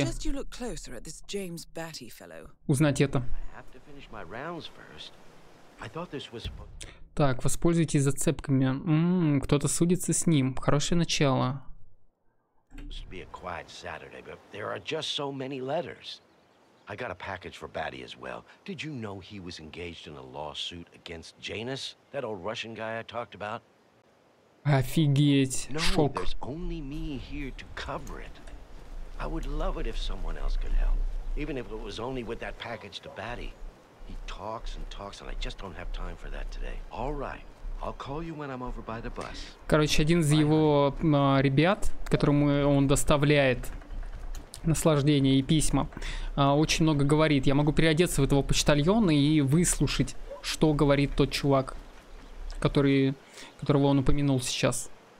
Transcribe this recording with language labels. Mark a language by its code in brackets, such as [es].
[en] I suggest you look closer at this James Batty fellow. [ru] Узнать это. [en] I have to finish my rounds first. I thought this was... [ru] Так, воспользуйтесь зацепками. Кто-то судится с ним. Хорошее начало. [en] This would be a quiet Saturday, but there are just so many letters. I got a package for Batty as well. Did you know he was engaged in a lawsuit against Janus, that old Russian guy I talked about? [ru] Офигеть, шок. [en] There's only me here to cover it. I would love it if someone else could help, even if it was only with that package to Batty. He talks and talks, and I just don't have time for that today. All right. I'll call you when I'm over by the bus. [ru] Короче, один из его ребят, которому он доставляет наслаждение и письма, очень много говорит. Я могу переодеться в этого почтальона и выслушать, что говорит тот чувак, которого он упомянул сейчас.